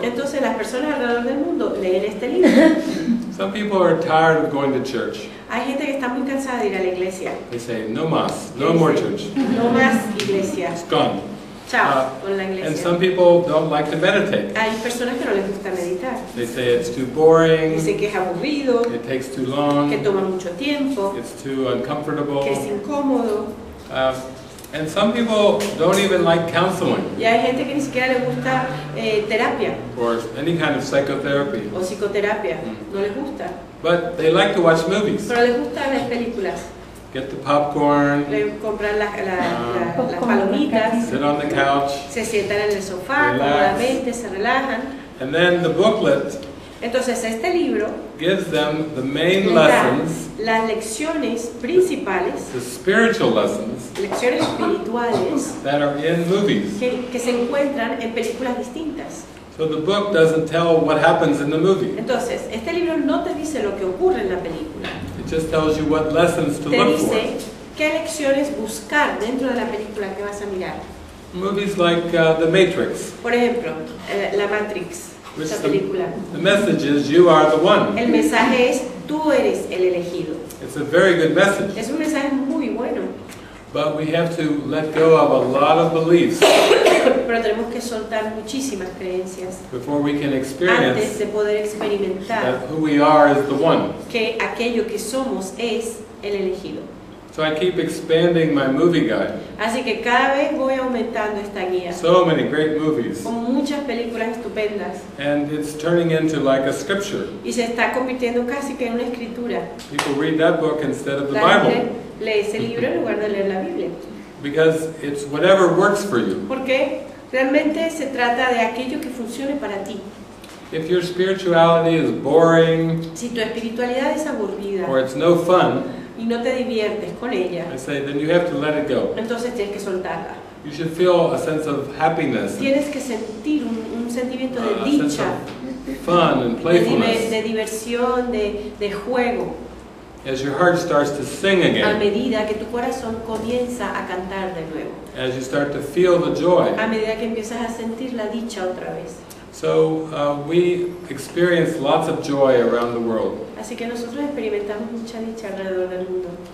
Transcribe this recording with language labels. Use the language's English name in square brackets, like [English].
[Spanish] Entonces las personas alrededor del mundo leen este libro. [English] Some people are tired of going to church. [Spanish] Hay gente que está muy cansada de ir a la iglesia. [English] They say, [Spanish] no más, [English] no more church. [Spanish] No más iglesia. [English] It's gone. And some people don't like to meditate. [Spanish] Hay personas que no les gusta meditar. [English] They say it's too boring. [Spanish] Dicen que es aburrido. [English] It takes too long. [Spanish] Que toma mucho tiempo. [English] It's too uncomfortable. [Spanish] Que es incómodo. [English] And some people don't even like counseling. [Spanish] Y hay gente que ni siquiera le gusta terapia. [English] Or any kind of psychotherapy. [Spanish] O psicoterapia. No les gusta. [English] But they like to watch movies. [Spanish] Pero les gusta ver películas. [English] Get the popcorn. [Spanish] Comprar las palomitas. [English] Sit on the couch. [Spanish] Se sientan en el sofá. [English] Relax. [Spanish] Se relajan. [English] And then the booklet. [Spanish] Entonces este libro. [English] Gives them the main lessons. [Spanish] Las lecciones principales. [English] The spiritual lessons. [Spanish] Lecciones espirituales. [English] That are in movies. [Spanish] Que se encuentran en películas distintas. [English] So the book doesn't tell what happens in the movie. [Spanish] Entonces este libro no te dice lo que ocurre en la película. [English] just tells you what lessons to look for. [Spanish] ¿Qué lecciones buscar dentro de la película que vas a mirar? [English] Movies like The Matrix. [Spanish] Por ejemplo, La Matrix, esa película. [English] The message is you are the one. [Spanish] El mensaje es tú eres el elegido. [English] It's a very good message. [Spanish] Es un mensaje muy bueno. [English] But we have to let go of a lot of beliefs. [Spanish] Pero tenemos que soltar muchísimas creencias. [English] Before we can experience. [Spanish] Antes de poder experimentar. [English] That who we are is the one. [Spanish] Que aquello que somos es el elegido. [English] So I keep expanding my movie guide. [Spanish] Así que cada vez voy aumentando esta guía. [English] So many great movies. [Spanish] Con muchas películas estupendas. [English] And it's turning into like a scripture. [Spanish] Y se está convirtiendo casi que en una escritura. [English] People read that book instead of the Bible. [Spanish] Lee ese libro en lugar de leer la Biblia. [English] Because it's whatever works for you. [Spanish] Porque realmente se trata de aquello que funcione para ti. [English] If your spirituality is boring. [Spanish] Si tu espiritualidad es aburrida. [English] Or it's no fun. [Spanish] Y no te diviertes con ella. [English] I say, then you have to let it go. [Spanish] Entonces tienes que soltarla. [English] You should feel a sense of happiness. [Spanish] Tienes que sentir un sentimiento de dicha. [English] Fun and playfulness. [Spanish] De diversión, de juego. [English] As your heart starts to sing again. [Spanish] A medida que tu corazón comienza a cantar de nuevo. [English] As you start to feel the joy. [Spanish] A medida que empiezas a sentir la dicha otra vez. [English] So we experience lots of joy around the world. [Spanish] Así que nosotros experimentamos mucha dicha alrededor del mundo.